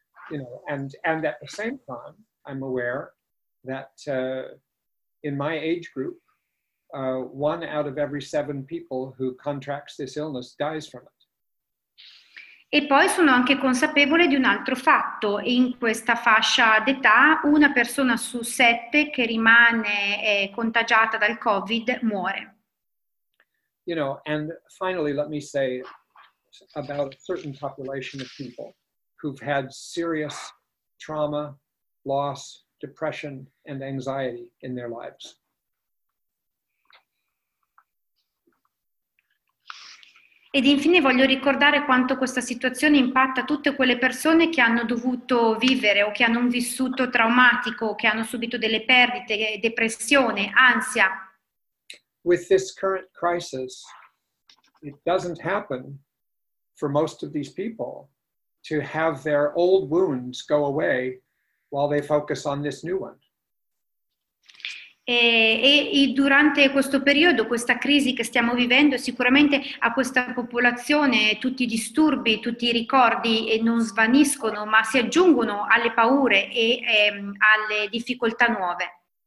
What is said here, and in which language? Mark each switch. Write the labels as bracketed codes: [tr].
[en] You know, and at the same time, I'm aware that in my age group, one out of every seven people who contracts this illness dies from it. [it] E poi sono anche consapevole di un altro fatto. In questa fascia d'età, una persona su sette che rimane contagiata dal Covid muore. [en] You know, and finally let me say about a certain population of people who've had serious trauma, loss, depression and anxiety in their lives. [it] Ed infine voglio ricordare quanto questa situazione impatta tutte quelle persone che hanno dovuto vivere o che hanno un vissuto traumatico, che hanno subito delle perdite, depressione, ansia. [en] With this current crisis, it doesn't happen for most of these people to have their old wounds go away while they focus on this new one. [it] E durante questo periodo, questa crisi che stiamo vivendo, sicuramente a questa popolazione tutti i disturbi, tutti i ricordi non svaniscono, ma si aggiungono alle paure e alle difficoltà nuove.